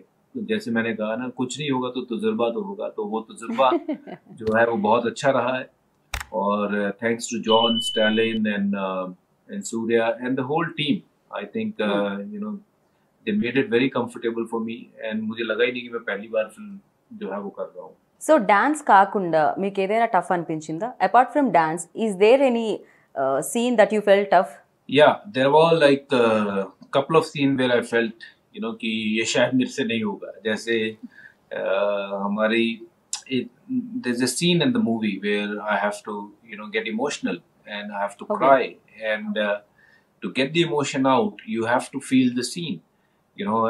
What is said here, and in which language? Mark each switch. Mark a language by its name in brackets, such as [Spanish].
[Hindi] तो जैसे मैंने कहा ना, कुछ नहीं होगा तो तजुर्बा तो होगा, तो वो तजुर्बा जो है वो बहुत अच्छा रहा है। [English] और thanks to John, Stalin and and Surya and the whole team, I think you know they made it very comfortable for me, and [Hindi] मुझे लगा ही नहीं कि मैं पहली बार फिल्म जो है वो कर रहा हूँ। [Telugu] సో డాన్స్ కాకుండా మీకు ఏదైనా టఫ్ అనిపించిందా? [English] Apart from dance is there any scene that you felt tough? Yeah there were like couple of scene where I felt you know [Hindi] कि ये शायद मेरे से नहीं होगा। जैसे हमारी [English] There a scene in the movie where I have to you know get emotional and I have to okay cry, and to get the emotion out you have to feel the scene you know.